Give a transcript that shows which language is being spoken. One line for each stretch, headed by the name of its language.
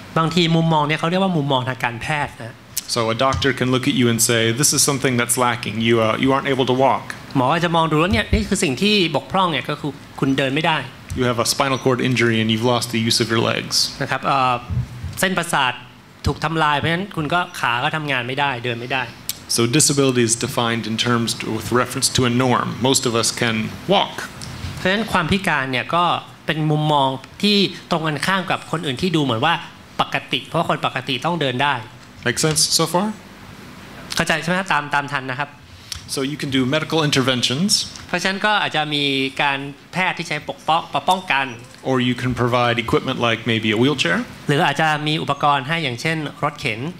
Thai: บางทีมุมมองเนี่ยเขาเรียกว่ามุมมองทางการแพทย์นะ
English: So a doctor can look at you and say, "This is something that's lacking. You aren't able to walk."
Thai: หมออาจจะมองดูแล้วเนี่ยนี่คือสิ่งที่บกพร่องเนี่ยก็คือคุณเดินไม่ได้
English: You have a spinal cord injury and you've lost the use of your legs.
Thai: นะครับเส้นประสาทถูกทำลายเพราะฉะนั้นคุณก็ขาก็ทำงานไม่ได้เดินไม่ได้
English: So disability is defined in terms with reference to a norm. Most of us can walk.
Thai: เพราะฉะนั้นความพิการเนี่ยก็เป็นมุมมองที่ตรงกันข้ามกับคนอื่นที่ดูเหมือนว่าปกติเพราะคนปกติต้องเดินได้
English: Make sense so far?
Thai: เข้าใจใช่ไหมครับตามทันนะครับ
English: So you can do medical interventions.
Thai: เพราะฉะนั้นก็อาจจะมีการแพทย์ที่ใช้ป้องกัน
English: Or you can provide equipment like maybe a wheelchair.
Thai: หรืออาจจะมีอุปกรณ์ให้อย่างเช่นรถเข็น